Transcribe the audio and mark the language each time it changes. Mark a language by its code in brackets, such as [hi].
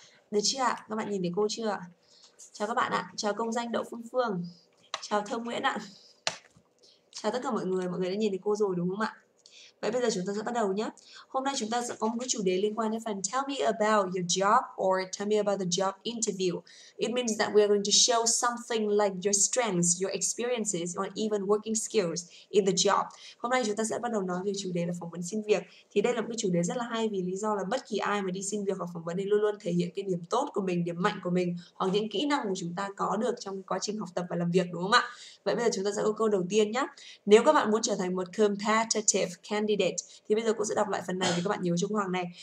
[vi] Được chưa ạ? Các bạn nhìn thấy cô chưa? Chào các bạn ạ. Chào công danh Đậu Phương Phương. Chào Thơ Nguyễn ạ. Chào tất cả mọi người đã nhìn thấy cô rồi đúng không ạ? Vậy bây giờ chúng ta sẽ bắt đầu nhé. Hôm nay chúng ta sẽ có một cái chủ đề liên quan đến phần [en] Tell me about your job or tell me about the job interview. It means that we are going to show something like your strengths, your experiences or even working skills in the job. [vi] Hôm nay chúng ta sẽ bắt đầu nói về chủ đề là phỏng vấn xin việc. Thì đây là một cái chủ đề rất là hay vì lý do là bất kỳ ai mà đi xin việc hoặc phỏng vấn thì luôn luôn thể hiện cái điểm tốt của mình, điểm mạnh của mình hoặc những kỹ năng của chúng ta có được trong quá trình học tập và làm việc đúng không ạ? Vậy bây giờ chúng ta sẽ có câu đầu tiên nhé. Nếu các bạn muốn trở thành một competitive candidate thì bây giờ cô sẽ đọc lại phần này vì các bạn nhớ Trung Hoàng này.